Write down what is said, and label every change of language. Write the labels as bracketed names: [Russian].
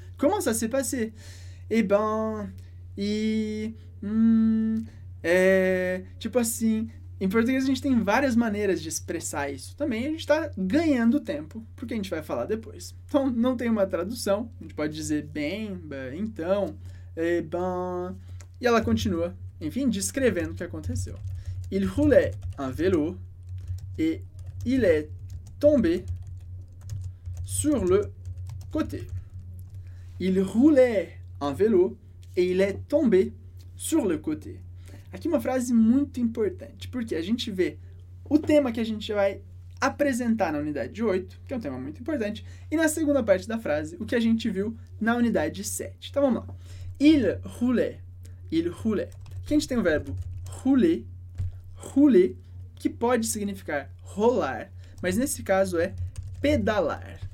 [French] Comment ça s'est passé? Eh ben... E... É... [Portuguese] Tipo assim... Em português, a gente tem várias maneiras de expressar isso. Também a gente está ganhando tempo, porque a gente vai falar depois. Então, não tem uma tradução. A gente pode dizer bem, então, ben... E ela continua, enfim, descrevendo o que aconteceu. [French] Il roulait un vélo et il est tombé sur le côté. Il roulait un vélo et il est tombé sur le côté. [Portuguese] Aqui uma frase muito importante, porque a gente vê o tema que a gente vai apresentar na unidade 8, que é um tema muito importante, e na segunda parte da frase, o que a gente viu na unidade 7. Então vamos lá. [French] Il roulait. Il roulait. [Portuguese] Aqui a gente tem o verbo rouler, rouler, que pode significar rolar, mas nesse caso é pedalar.